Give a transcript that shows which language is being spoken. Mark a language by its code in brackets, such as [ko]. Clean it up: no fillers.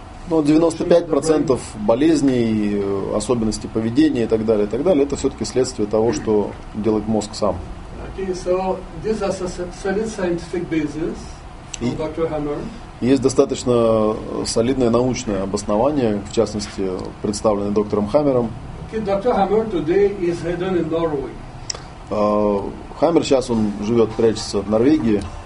[ru] Но 95% болезней, особенностей поведения и так далее, это все-таки следствие того, что делает мозг сам. [en] Okay, so this has a solid scientific basis from Dr. Hammer. [ru] Есть достаточно солидное научное обоснование, в частности, представленное доктором Хаммером. [en] Okay, Dr. Hammer today is hidden in Norway. [ru] Хаммер сейчас он живет, прячется в Норвегии.